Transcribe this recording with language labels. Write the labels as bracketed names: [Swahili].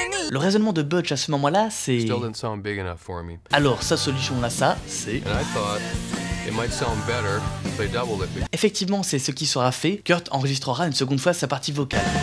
[French] Le raisonnement de Butch à ce moment-là, c'est... [English] Still didn't sound big enough for me. [French] Alors, sa solution à ça, c'est... [English] And I thought it might sound better if they doubled it. [French] Effectivement, c'est ce qui sera fait. Kurt enregistrera une seconde fois sa partie vocale.